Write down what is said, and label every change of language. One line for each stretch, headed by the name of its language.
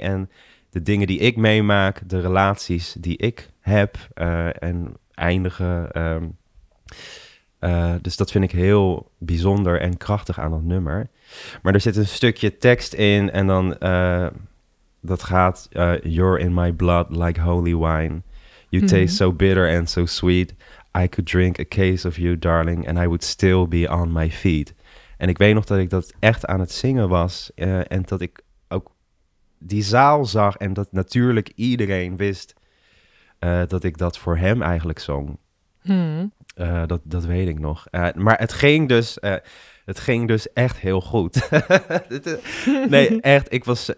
Dutch: En de dingen die ik meemaak, de relaties die ik heb en... eindigen. Dus dat vind ik heel bijzonder en krachtig aan dat nummer. Maar er zit een stukje tekst in en dan dat gaat...
English: You're in my blood like holy wine. You taste so bitter and so sweet. I could drink a case of you, darling, and I would still be on my feet.
Dutch: En ik weet nog dat ik dat echt aan het zingen was en dat ik ook die zaal zag en dat natuurlijk iedereen wist... dat ik dat voor hem eigenlijk zong. Hmm. Dat weet ik nog. Maar het ging dus echt heel goed. Nee, echt.